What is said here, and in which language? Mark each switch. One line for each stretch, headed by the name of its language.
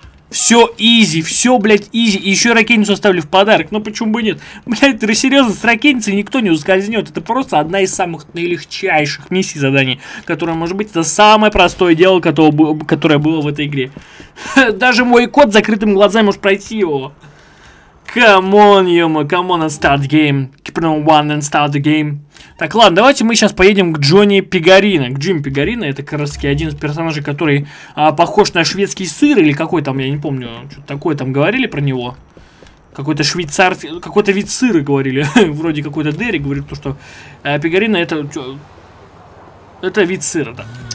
Russian: Все изи, все, блядь, изи. И еще и ракетницу оставили в подарок. Ну почему бы нет? Блядь, ты серьезно, с ракетницей никто не ускользнет. Это просто одна из самых наилегчайших миссий заданий, которая может быть, это самое простое дело, которое было в этой игре. Даже мой кот с закрытыми глазами может пройти его.
English: Come on, ёма, come on and start the game. Keep it on one and start the game.
Russian: Так, ладно, давайте мы сейчас поедем к Джонни Пигарино. К Джим Пигарино, это как раз-таки один из персонажей, который похож на шведский сыр или какой там, я не помню, что-то такое там говорили про него. какой-то швейцарский, какой-то вид сыра, говорили. Вроде какой-то Дерри говорит то, что пекарина это вид сыра, да.